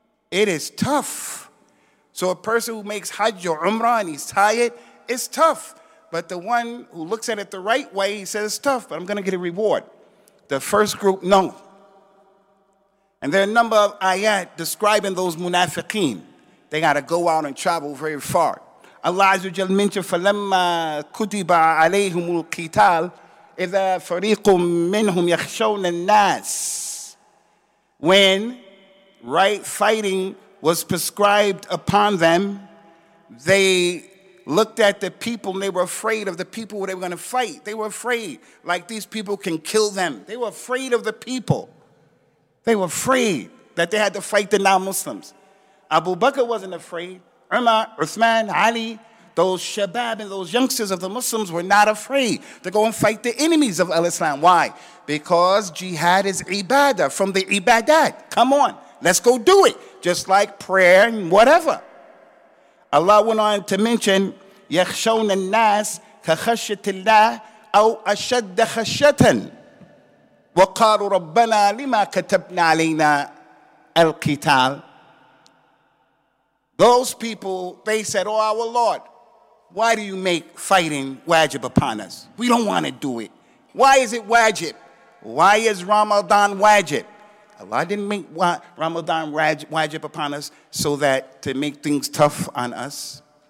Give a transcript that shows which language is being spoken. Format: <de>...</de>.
<en>It is tough. So a person who makes hajj or umrah and he's tired, it's tough. But the one who looks at it the right way, he says, it's tough, but I'm going to get a reward. The first group, no. And there are a number of ayat describing those munafiqeen. They got to go out and travel very far.</en> <ar>Allah Azza wa Jal, فَلَمَّا كُتِبَ عَلَيْهُمُ الْقِتَالِ إِذَا فَرِيقٌ مِّنْهُمْ يَخْشَوْنَ النَّاسِ.</ar> <en>When right fighting was prescribed upon them, they looked at the people and they were afraid of the people who they were going to fight. They were afraid, like these people can kill them. They were afraid of the people. They were afraid that they had to fight the non-Muslims. Abu Bakr wasn't afraid. Umar, Uthman, Ali, those Shabab and those youngsters of the Muslims were not afraid to go and fight the enemies of al-Islam. Why? Because jihad is ibadah, from the ibadat. Come on, let's go do it. Just like prayer and whatever. Allah went on to mention,</en> <ar>يَخْشَوْنَ النَّاسِ كَخَشَّةِ اللَّهِ أو أشد خشية وقالوا ربنا لما كتبنا علينا القتال.</ar> <en>Those people, they said, oh, our Lord, why do you make fighting wajib upon us? We don't want to do it. Why is it wajib? Why is Ramadan wajib? Allah didn't make Ramadan wajib upon us so that to make things tough on us.</en>